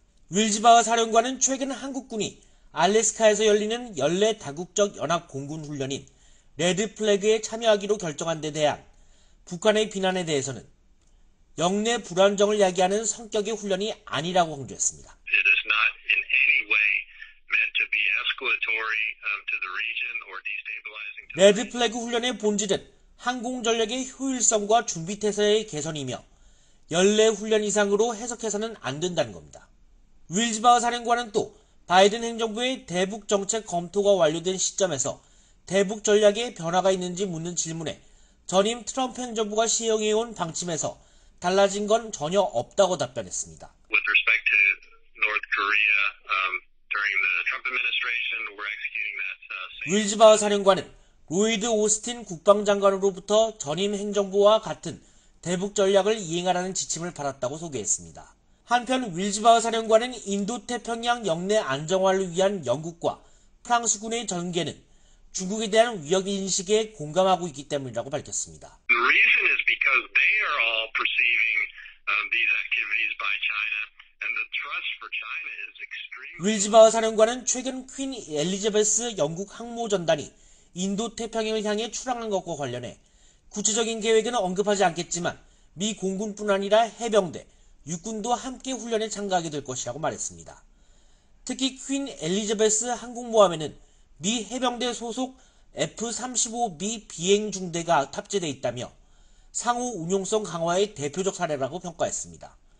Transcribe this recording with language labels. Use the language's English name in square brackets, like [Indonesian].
[Korean] 윌즈바흐 사령관은 최근 한국군이 알래스카에서 열리는 연례 다국적 연합 공군 훈련인 레드플래그에 참여하기로 결정한 데 대한 북한의 비난에 대해서는 영내 불안정을 야기하는 성격의 훈련이 아니라고 강조했습니다. [English] It is not in any way meant to be escalatory to the region or destabilizing. [Korean] 레드플래그 훈련의 본질은 항공전력의 효율성과 준비태세의 개선이며 연례 훈련 이상으로 해석해서는 안 된다는 겁니다. 윌즈바흐 사령관은 또 바이든 행정부의 대북정책 검토가 완료된 시점에서 대북전략에 변화가 있는지 묻는 질문에 전임 트럼프 행정부가 시행해온 방침에서 달라진 건 전혀 없다고 답변했습니다. [English] With respect to North Korea, during the Trump administration, we're executing that same. [Korean] 윌즈바흐 사령관은 로이드 오스틴 국방장관으로부터 전임 행정부와 같은 대북 전략을 이행하라는 지침을 받았다고 소개했습니다. 한편 윌즈바흐 사령관은 인도태평양 영내 안정화를 위한 영국과 프랑스군의 전개는 중국에 대한 위협 인식에 공감하고 있기 때문이라고 밝혔습니다. [English] The reason is because they are all perceiving these activities by China and the trust for China is extreme. [Korean] 윌즈바흐 사령관은 최근 퀸 엘리자베스 영국 항모전단이 인도태평양을 향해 출항한 것과 관련해 구체적인 계획은 언급하지 않겠지만 미 공군뿐 아니라 해병대, 육군도 함께 훈련에 참가하게 될 것이라고 말했습니다. 특히 퀸 엘리자베스 항공모함에는 미 해병대 소속 F-35B 비행중대가 탑재되어 있다며 상호 운용성 강화의 대표적 사례라고 평가했습니다.